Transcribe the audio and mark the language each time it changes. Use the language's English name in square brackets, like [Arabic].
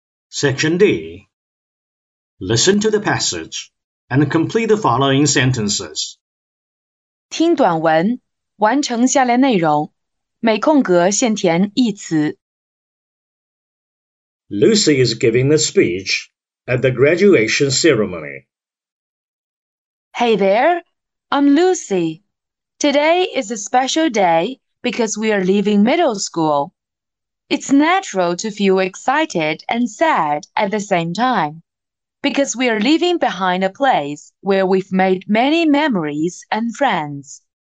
[English] Section D. Listen to the passage and complete the following sentences. [Chinese] 听短文，完成下列内容，每空格先填一词。 [English] Lucy is giving a speech at the graduation ceremony. Hey there, I'm Lucy. Today is a special day because we are leaving middle school. It's natural to feel excited and sad at the same time, because we are leaving behind a place where we've made many memories and friends.